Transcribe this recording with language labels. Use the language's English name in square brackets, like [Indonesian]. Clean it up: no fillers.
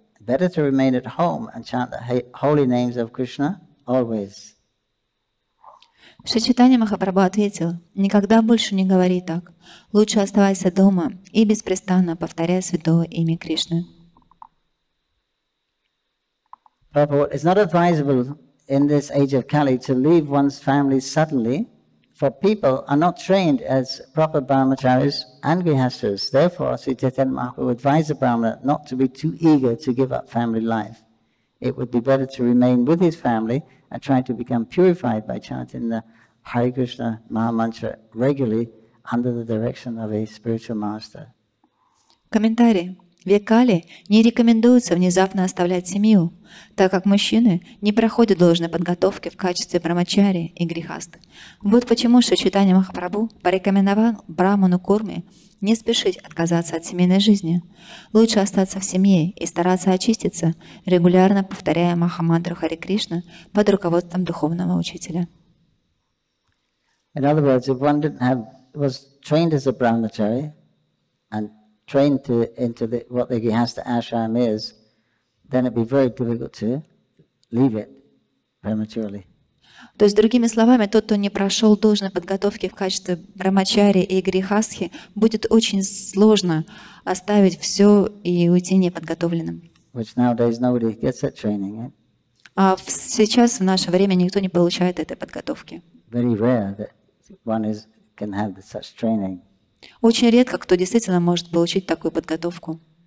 [English] Better to remain at home and chant the holy names of Krishna always." [Russian] Шри Чайтанья Махапрабху ответил, "Никогда больше не говори так. Лучше оставайся дома и беспрестанно повторяй святое имя Кришны." [English] Prabhupada, it's not advisable in this age of Kali to leave one's family suddenly, for people are not trained as proper brahmacharis and grihasthas. Therefore, Śrī Caitanya Mahaprabhu advised the brahmana not to be too eager to give up family life. It would be better to remain with his family and try to become purified by chanting the Hare Krishna Maha Mantra regularly under the direction of a spiritual master. [Russian] Комментарий. В Кали не рекомендуется внезапно оставлять семью, так как мужчины не проходят должной подготовки в качестве брамачари и грихасты. Вот почему Шри Чайтанья Махапрабху порекомендовал Брахману Курме не спешить отказаться от семейной жизни. Лучше остаться в семье и стараться очиститься, регулярно повторяя Махамантру Хари Кришна под руководством духовного учителя. [English] In other words, if one didn't have, was trained as a brahmachari, and trained to into the, what the Grihastha ashram is, then it'd be very difficult to leave it prematurely. [Russian] То есть, другими словами, тот, кто не прошел должной подготовки в качестве брамачари и грихасхи, будет очень сложно оставить все и уйти неподготовленным. [English] Which nowadays nobody gets that training, eh? [Russian] А сейчас, в наше время, никто не получает этой подготовки. [English] Very rare that one is, can have such training. [Russian] Очень редко кто действительно может получить такую подготовку.